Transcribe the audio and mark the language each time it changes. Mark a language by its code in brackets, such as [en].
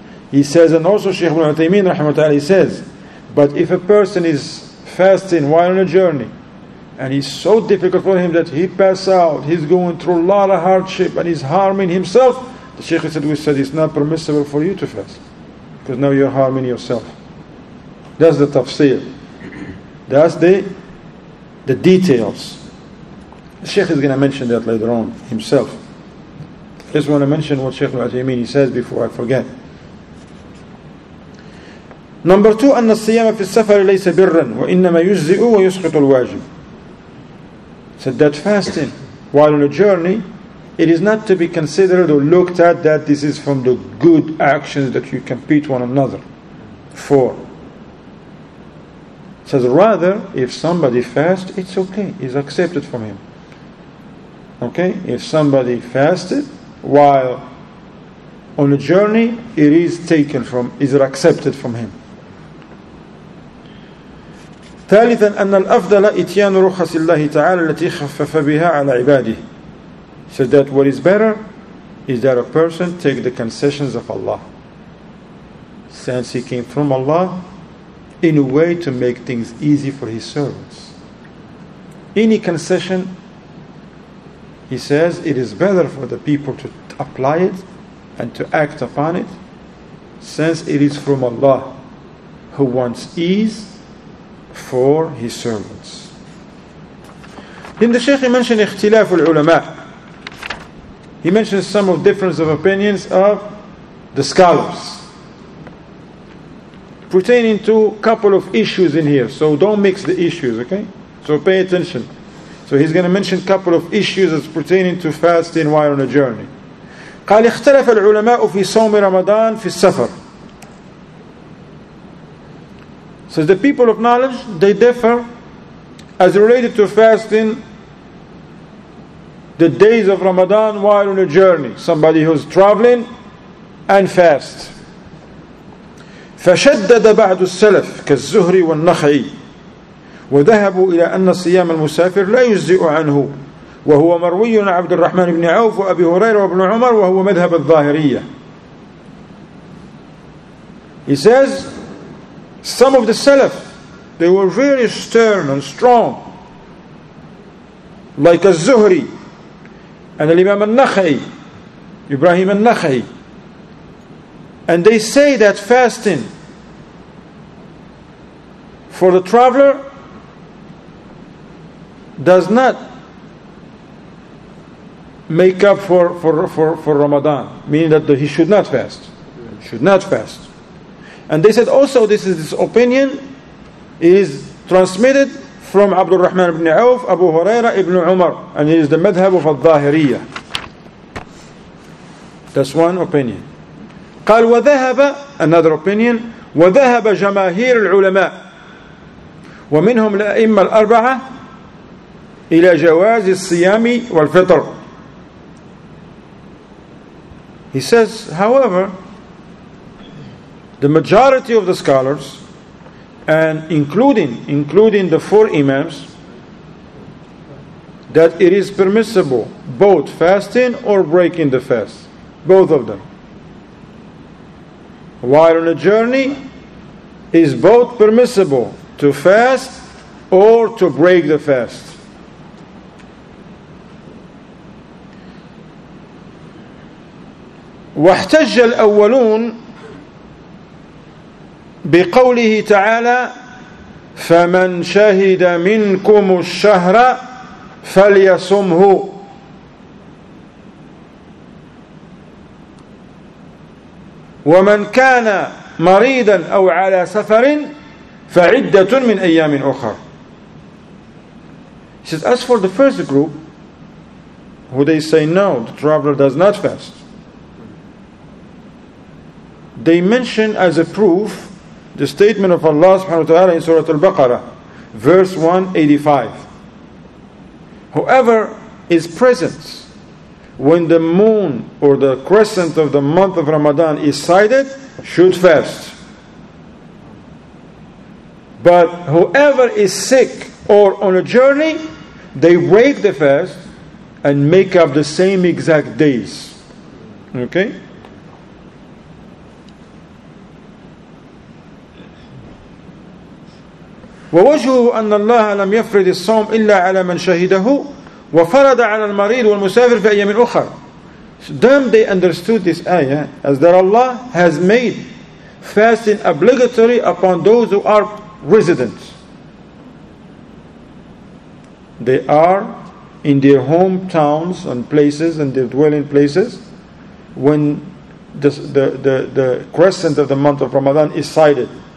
[en] He says, and also Shaykh Ibn Uthaymeen, rahimahullah, he says, but if a person is fasting while on a journey, and it's so difficult for him that he passes out, he's going through a lot of hardship, and he's harming himself, the Shaykh said, we said, it's not permissible for you to fast, because now you're harming yourself. That's the tafsir. That's the details. The Shaykh is going to mention that later on himself. I just want to mention what Shaykh Al-Uthaymeen says before I forget. Number two, [ar] أن الصيام في السفر ليس برا وإنما يجزئ ويسقط الواجب. [en] Said that fasting while on a journey, it is not to be considered or looked at that this is from the good actions that you compete one another for. Says rather, if somebody fasts, it's okay, it's accepted from him. Okay, if somebody fasted while on a journey, it is taken from, is it accepted from him. [ar] ثالثا أن الأفضل إتيان رخص الله تعالى التي خفف بها على عباده. [en] So that what is better is that a person take the concessions of Allah, since he came from Allah, in a way to make things easy for his servants. Any concession, he says, it is better for the people to apply it and to act upon it, since it is from Allah who wants ease for his servants. Then the Shaykh mentioned [ar] اختلاف العلماء. [en] He mentions some of difference of opinions of the scholars pertaining to a couple of issues in here. So don't mix the issues, okay? So pay attention. So he's going to mention a couple of issues as pertaining to fasting while on a journey. [ar] قال اختلف العلماء في صوم رمضان في السفر. [en] So the people of knowledge, they differ as related to fasting the days of Ramadan while on a journey. Somebody who's traveling and fast. [ar] فشدد بعض السلف كالزهري والنخعي وذهبوا إلى أن صيام المسافر لا يجزئ عنه وهو مروي عبد الرحمن بن عوف وأبي هريرة وابن عمر وهو مذهب الظاهرية. [en] He says, some of the Salaf, they were very stern and strong, like Al-Zuhri and Al-Imam Al-Nakhai, Ibrahim Al-Nakhai, and they say that fasting for the traveler does not make up for Ramadan, meaning that he should not fast. Should not fast. And they said also, this is this opinion, it is transmitted from Abdul Rahman ibn Auf, Abu Huraira ibn Umar, and it is the madhab of al-Zahiriyya. That's one opinion. [ar] قال وذهب, [en] another opinion, [ar] وذهب جماهير العلماء ومنهم الأئمة الأربعة إلى جواز الصيام والفطر. [en] He says, however, the majority of the scholars, and including the four imams, that it is permissible both fasting or breaking the fast, both of them. While on a journey, is both permissible to fast or to break the fast. [ar] واحتج الأولون بقوله تعالى فمن شهد منكم الشهر فليصمه، ومن كان مريضا أو على سفر فعدة من أيام أخر. [en] He says, as for the first group, who they say, no, the traveler does not fast. They mention as a proof the statement of Allah subhanahu wa ta'ala in Surah Al-Baqarah, verse 185. Whoever is present when the moon or the crescent of the month of Ramadan is sighted, should fast. But whoever is sick or on a journey, they break the fast and make up the same exact days. Okay? [ar] ووجهه أن الله لم يفرض الصوم إلا على من شهده وفرض على المريض والمسافر في أيام أخرى. [en] Them, they understood this ayah as that Allah has made fasting obligatory upon those who are residents. They are in their hometowns and places and their dwelling places when the crescent of the month of Ramadan is sighted.